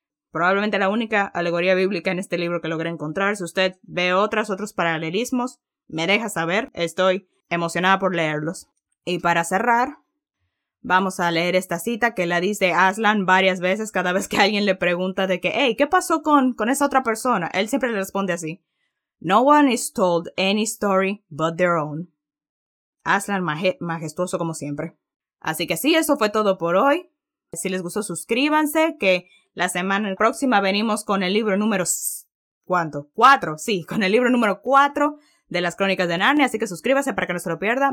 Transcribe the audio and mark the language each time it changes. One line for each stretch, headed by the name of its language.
Spanish: Probablemente la única alegoría bíblica en este libro que logré encontrar. Si usted ve otros paralelismos, me deja saber. Estoy emocionada por leerlos. Y para cerrar, vamos a leer esta cita que la dice Aslan varias veces cada vez que alguien le pregunta de que, hey, ¿qué pasó con esa otra persona? Él siempre le responde así.
English: No one is told any story but their own.
Spanish: Aslan majestuoso como siempre. Así que sí, eso fue todo por hoy. Si les gustó, suscríbanse, que la semana próxima venimos con el libro número... ¿cuánto? 4, sí, con el libro número 4 de las Crónicas de Narnia, así que suscríbase para que no se lo pierda.